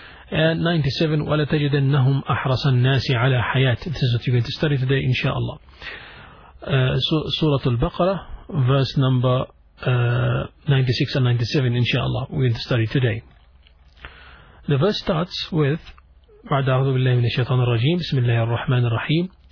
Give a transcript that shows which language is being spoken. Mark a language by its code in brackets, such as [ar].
[en] And 97, [ar] وَلَتَجِدَنَّهُمْ أَحْرَصَ النَّاسِ عَلَى حَيَاتٍ. [en] This is what you're going to study today, inshallah. Surah Al-Baqarah, verse number 96 and 97, inshallah, we're going to study today. The verse starts with, [ar] بَعْدَ أَعْضُ بِاللَّهِ مِنَ الشَّيْطَانِ الرَّجِيمِ بِسْمِ اللَّهِ الرَّحْمَنِ الرَّحِيمِ